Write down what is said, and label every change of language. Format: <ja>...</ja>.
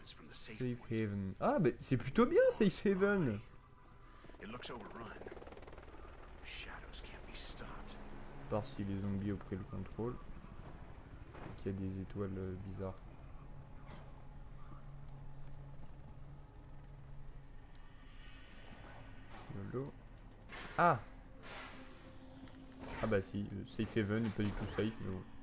<fr>Safe Haven. Ah, mais c'est plutôt bien, Safe Haven.</fr> <en>It looks overrun. Shadows can't be stopped.</en> <fr>Par si les zombies ont pris le contrôle. Il y a des étoiles bizarres. Yolo. Ah! Ah bah si, safe haven n'est pas du tout safe, mais bon.</fr>